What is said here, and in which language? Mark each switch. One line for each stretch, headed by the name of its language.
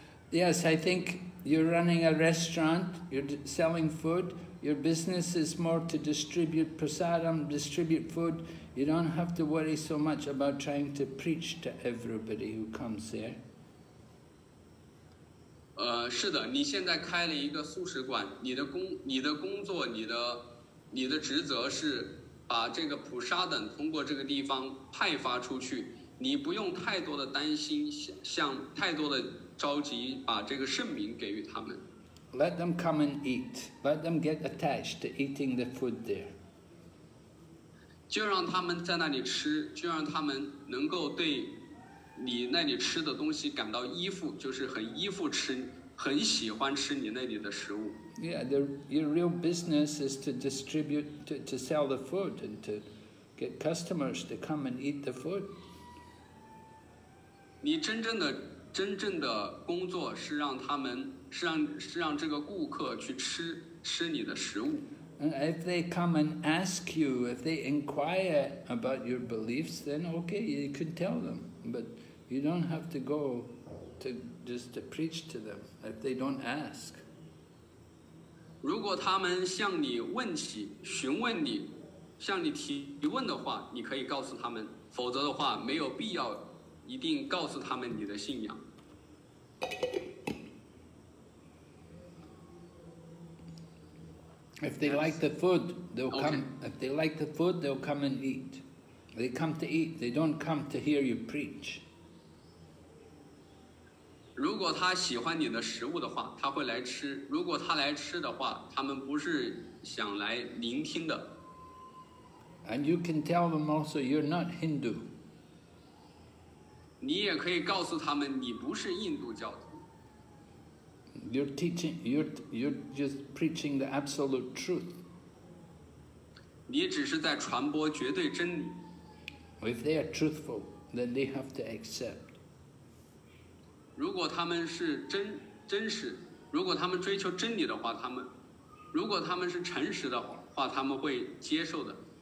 English: Yes, I think you're running a restaurant, you're selling food, your business is more to distribute prasadam, distribute food. You don't have to worry so much about trying to preach to everybody who comes there.
Chinese: 是的，你现在开了一个素食馆，你的工作，你的职责是把这个普沙等通过这个地方派发出去，你不用太多的担心，像太多的着急把这个圣名给予他们。
English: Let them come and eat. Let them get attached to eating the food there.
Chinese: 就让他们在那里吃，就让他们能够对。你那里吃的东西感到依附，就是很依附吃，很喜欢吃你那里的食物。
English: Yeah, your real business is to distribute, to sell the food and to get customers to come and eat the food.
Chinese: 你真正的工作是让他们是让这个顾客去吃你的食物。
English: And if they come and ask you, if they inquire about your beliefs, then okay, you can tell them, but. You don't have to go to just to preach to them if they don't ask.
Chinese: 如果他们向你问起，询问你，向你提问的话，你可以告诉他们，否则的话，没有必要一定告诉他们你的信仰。
English: If they like the food, they'll come. If they like the food, they'll come and eat. They come to eat. They don't come to hear you preach.
Chinese: 如果他喜欢你的食物的话，他会来吃。如果他来吃的话，他们不是想来聆听的。
English: And you can tell them also you're not Hindu.
Chinese: 你也可以告诉他们你不是印度教徒。
English: You're teaching, you're just preaching the absolute truth.
Chinese: 你只是在传播绝对真理。
English: If they are truthful, then they have to accept.
Chinese: 如果他们是真实，如果他们追求真理的话，如果他们是诚实的话，他们会接受的。